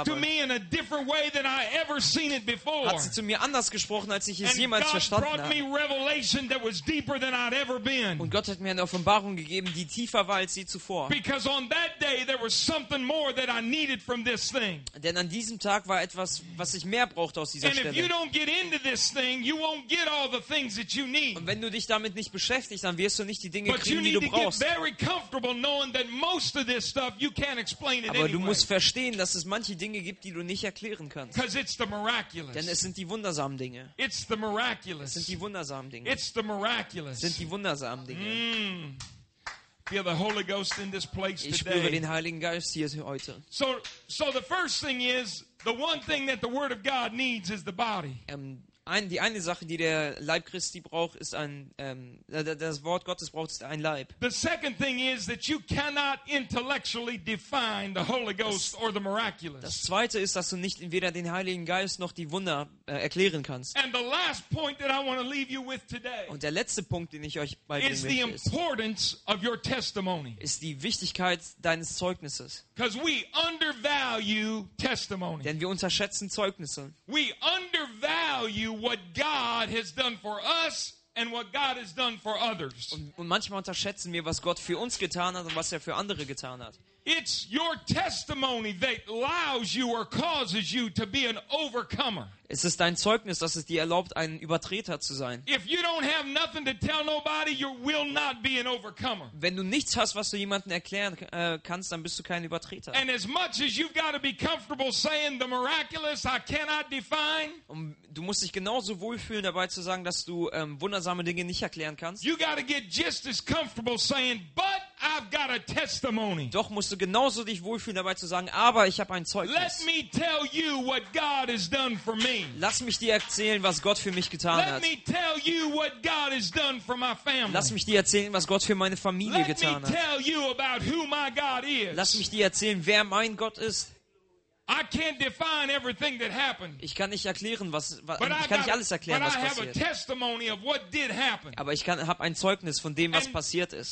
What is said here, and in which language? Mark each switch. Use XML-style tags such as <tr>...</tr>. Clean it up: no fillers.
<en>It spoke to me in a different way than I ever seen it before.</en> <de>Hat sie zu mir anders gesprochen, als ich es jemals verstanden habe.</de> <en>Me revelation that was deeper than I'd ever been.</en> <de>Und Gott hat mir eine Offenbarung gegeben, die tiefer war als je zuvor.</de> <en>Because on that day there was something more that I needed from this thing.</en> <de>Denn an diesem Tag war etwas, was ich mehr brauchte aus dieser Stelle.</de> <en>And if you don't get into this thing, you won't get all the things that you need.</en> <de>Und wenn du dich damit nicht beschäftigst, dann wirst du nicht die Dinge kriegen, die du brauchst.</de> <en>But you need to get very comfortable knowing that most of this stuff you can't explain it anyway.</en> <de>Aber du musst verstehen, dass es manche Dinge gibt, die du nicht erklären kannst.</de> <en>Because it's the miraculous.</en> <de>Denn es sind die wundersamen Dinge.</de> <en>It's the miraculous.</en> <de>Die wundersamen Dinge.</de> <en>It's the miraculous.</en> <de>Sind die wundersamen Dinge.</de> <en>Mm. Feel the Holy Ghost in this place</en> <de>today. Ich spüre den Heiligen Geist hier heute.</de> <en>So the first thing is the one thing that the word of God needs is the body.</en> <de>Die eine Sache, die der Leib Christi braucht, ist ein das Wort Gottes braucht, ist ein Leib.</de> <en>The second thing is that you cannot intellectually define the Holy Ghost or the miraculous.</en> <de>Das zweite ist, dass du nicht weder den Heiligen Geist noch die Wunder erklären kannst.</de> <en>And the last point that I want to leave you with today.</en> <de>Und der letzte Punkt, den ich euch beibringen möchte,</de> <en>is the importance of your testimony.</en> <de>Ist die Wichtigkeit deines Zeugnisses.</de> <en>Because we undervalue testimony.</en> <de>Denn wir unterschätzen Zeugnisse.</de> <en>We undervalue what God has done for us and what God has done for others.</en> <de>Und manchmal unterschätzen wir, was Gott für uns getan hat und was er für andere getan hat.</de> <en>It's your testimony that allows you or causes you to be an overcomer.</en> <de>Es ist dein Zeugnis, das es dir erlaubt, ein Übertreter zu sein.</de> <en>If you don't have nothing to tell nobody, you will not be an overcomer.</en> <de>Wenn du nichts hast, was du jemanden erklären kannst, dann bist du kein Übertreter.</de> <en>And as much as you've got to be comfortable saying the miraculous, I cannot define.</en> <de>Und du musst dich genauso wohlfühlen dabei zu sagen, dass du wundersame Dinge nicht erklären kannst.</de> <en>You got to get just as comfortable saying, but I've got a testimony.</en> <de>Doch musst du genauso dich wohlfühlen dabei zu sagen, aber ich habe ein Zeugnis.</de> <en>Let me tell you what God has done for me.</en> <de>Lass mich dir erzählen, was Gott für mich getan hat.</de> <en>Let me tell you what God has done for my family.</en> <de>Lass mich dir erzählen, was Gott für meine Familie</de> <en>Let</en> <de>getan hat.</de> <en>Let me tell you about who my God is.</en> <de>Lass mich dir erzählen, wer mein Gott ist.</de> <en>I can't define everything that happened.</en> <de>Ich kann nicht erklären, was passiert.</de> <en>But I have a testimony of what did happen.</en> <de>Aber ich habe ein Zeugnis von dem, was passiert ist.</de>